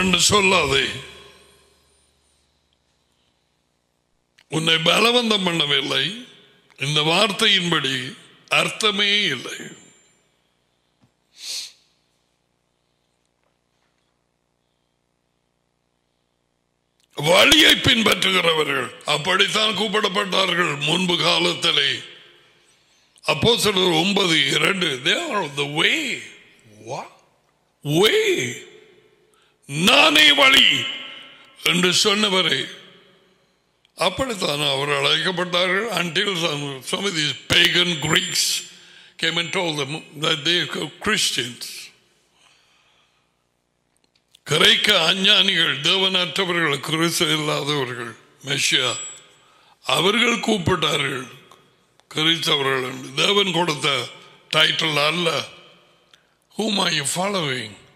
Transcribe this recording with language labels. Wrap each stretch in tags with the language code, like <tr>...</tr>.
<ta>சொல்லாதே, உன்னை பலவந்தம் பண்ணவில்லை, இந்த வார்த்தையின்படி அர்த்தமே இல்லை. வழியை பின்பற்றுகிறவர்கள் அப்படித்தான் கூப்பிடப்பட்டார்கள் முன்பு காலத்திலே.</ta> <en>அப்போஸ்தலர் 9:2 they are the way. What? Way.</en> <ta>நானே வழி என்று சொன்னவரை அப்படித்தான் அவர் அழைக்கப்பட்டார்கள்.</ta> <en>Until some of these pagan Greeks came and told them that they are Christians.</en> <ta>கிரேக்க அஞ்ஞானிகள், தேவனற்றவர்கள், கிறிஸ்து இல்லாதவர்கள், மெஷியா அவர்கள் கூப்பிட்டார்கள் கிறிஸ்தவர்கள் என்று. தேவன் கொடுத்த டைட்டில் அல்ல.</ta> <en>Whom are you following?</en>